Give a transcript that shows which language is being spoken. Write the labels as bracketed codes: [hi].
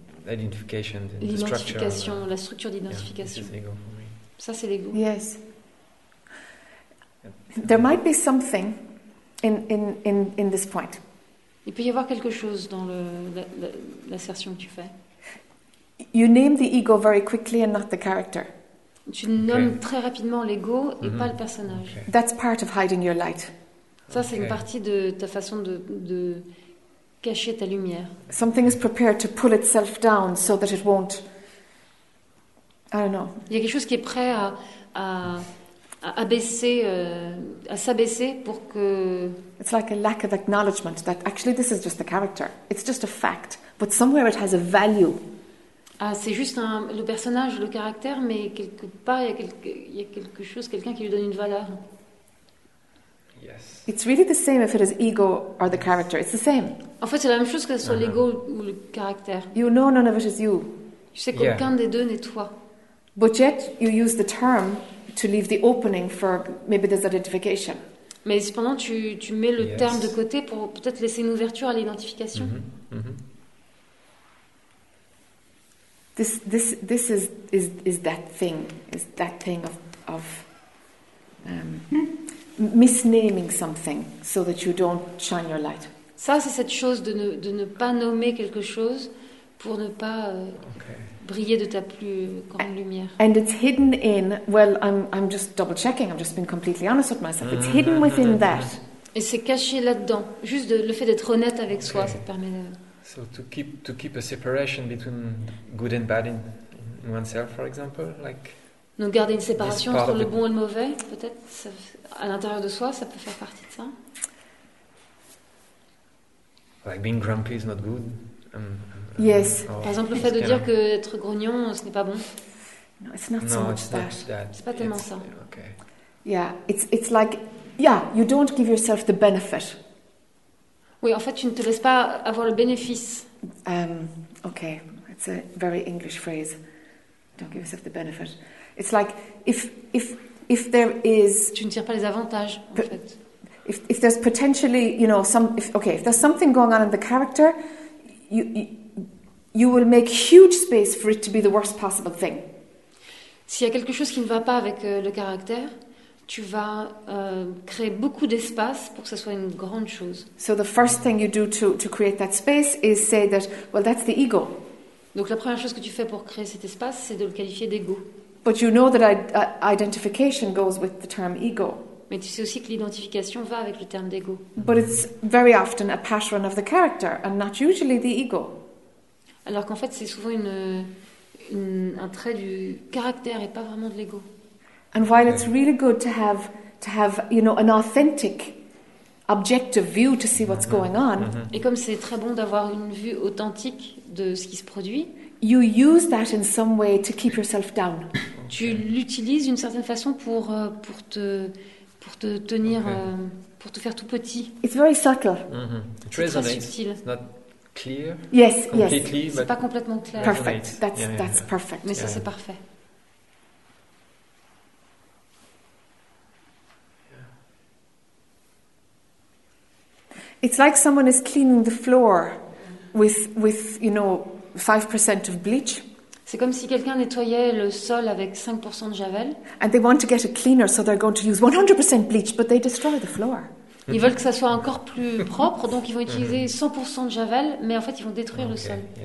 [en] Identification. [fr] L'identification, la structure d'identification. [en] Yeah, ego. [fr] Ça c'est l'ego. [en] Yes. There might be something in this point. [fr] Il peut y avoir quelque chose dans l'assertion que tu fais. [en] You name the ego very quickly and not the character. [fr] Tu nommes très rapidement l'ego et pas le personnage. [en] Okay. That's part of hiding your light. [fr] Ça c'est une partie de ta façon de cacher ta lumière. [en] Something is prepared to pull itself down so that it won't. I don't know. [fr] Il y a quelque chose qui est prêt à s'abaisser pour que. [en] It's like a lack of acknowledgement that actually this is just the character. It's just a fact, but somewhere it has a value. [fr] Ah, c'est juste le personnage, le caractère, mais quelque part il y a quelque chose, quelqu'un qui lui donne une valeur. [en] Yes. It's really the same if it is ego or the character. It's the same. [fr] En fait, c'est la même chose que ce soit l'ego ou le caractère. [en] You know, none of it is you. [fr] Je sais qu'aucun des deux n'est toi. [en] But yet you use the term to leave the opening for maybe this identification. [fr] Mais cependant, tu mets le terme de côté pour peut-être laisser une ouverture à l'identification. [en] This is that thing of misnaming something so that you don't shine your light. [fr] Ça, c'est cette chose de ne pas nommer quelque chose pour ne pas briller de ta plus grande lumière. [en] And it's hidden in. Well, I'm just double checking. I'm just being completely honest with myself. It's hidden within that. [fr] Et c'est caché là-dedans. Juste le fait d'être honnête avec soi, ça te permet de. [en] So to keep a separation between good and bad in oneself, for example, like. [fr] Donc garder une séparation entre le bon et le mauvais, peut-être ça, à l'intérieur de soi, ça peut faire partie de ça. [en] Like being grumpy is not good. Yes. [fr] Par exemple, le fait de dire qu'être grognon, ce n'est pas bon. [en] No, it's not so much that. [fr] C'est pas tellement ça. [en] Okay. Yeah, it's like, yeah, you don't give yourself the benefit. [fr] Oui, en fait, tu ne te laisses pas avoir le bénéfice. [en] Okay, it's a very English phrase. Don't give yourself the benefit. It's like if there is. [fr] Tu ne tires pas les avantages, en fait. [en] If there's potentially, you know, if there's something going on in the character, you will make huge space for it to be the worst possible thing. [fr] S'il y a quelque chose qui ne va pas avec le caractère, tu vas créer beaucoup d'espace pour que ce soit une grande chose. [en] So the first thing you do to create that space is say that, well, that's the ego. [fr] Donc la première chose que tu fais pour créer cet espace, c'est de le qualifier d'ego. [en] But you know that identification goes with the term ego. [fr] Mais tu sais aussi que l'identification va avec le terme d'ego. [en] But it's very often a pattern of the character and not usually the ego. [fr] Alors qu'en fait, c'est souvent un trait du caractère et pas vraiment de l'ego. [en] And while it's really good to have you know an authentic objective view to see what's going on. [fr] Et comme c'est très bon d'avoir une vue authentique de ce qui se produit, [en] you use that in some way to keep yourself down. [fr] Tu l'utilises d'une certaine façon pour te tenir pour te faire tout petit. [en] It's very subtle. It's [fr] très subtil. [en] Not clear. Yes, completely, yes. [fr] C'est pas complètement clair. [en] Perfect. That's perfect. [fr] Mais ça c'est parfait. [en] It's like someone is cleaning the floor with you know 5% of bleach. [fr] C'est comme si quelqu'un nettoyait le sol avec 5% de javel. [en] And they want to get a cleaner so they're going to use 100% bleach but they destroy the floor. [fr] Ils veulent que ça soit encore plus propre donc ils vont utiliser 100% de javel mais en fait ils vont détruire le sol.